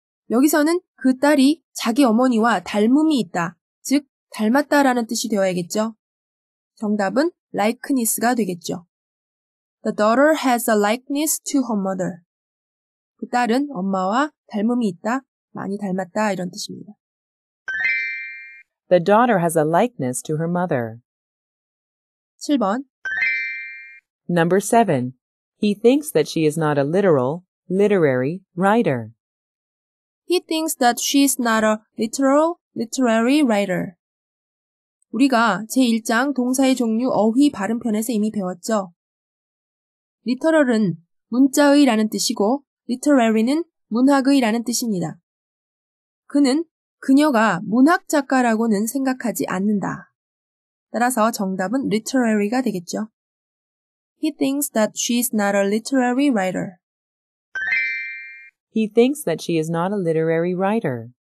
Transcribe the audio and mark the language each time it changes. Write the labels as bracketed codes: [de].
[ko] 여기서는 그 딸이 자기 어머니와 닮음이 있다, 즉 닮았다라는 뜻이 되어야겠죠. 정답은 likeness가 되겠죠. [en] The daughter has a likeness to her mother. [ko] 그 딸은 엄마와 닮음이 있다, 많이 닮았다 이런 뜻입니다. [en] The daughter has a likeness to her mother. [ko] 7번 [en] Number 7. He thinks that she is not a literary writer. He thinks that she is not a literary writer. [ko] 우리가 제1장 동사의 종류 어휘 발음편에서 이미 배웠죠. literal은 문자의라는 뜻이고 literary는 문학의라는 뜻입니다. 그는 그녀가 문학 작가라고는 생각하지 않는다. 따라서 정답은 literary가 되겠죠. [en] He thinks that she is not a literary writer. He thinks that she is not a literary writer.